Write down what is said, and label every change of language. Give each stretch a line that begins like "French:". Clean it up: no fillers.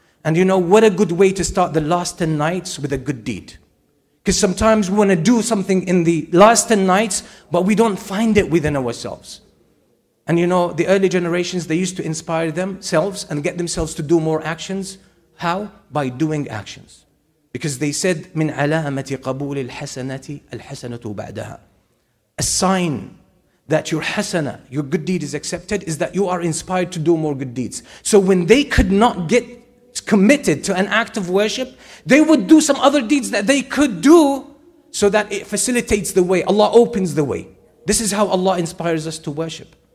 English: And you know what a good way to start the last 10 nights with a good deed. Because sometimes we want to do something in the last 10 nights, but we don't find it within ourselves. And you know, the early generations, they used to inspire themselves and get themselves to do more actions. How? By doing actions. Because they said,
Arabic: مِنْ عَلَامَةِ قَبُولِ الْحَسَنَةِ الْحَسَنَةُ بَعْدَهَا.
English: A sign that your hasana, your good deed is accepted, is that you are inspired to do more good deeds. So when they could not get committed to an act of worship, they would do some other deeds that they could do so that it facilitates the way. Allah opens the way. This is how Allah inspires us to worship.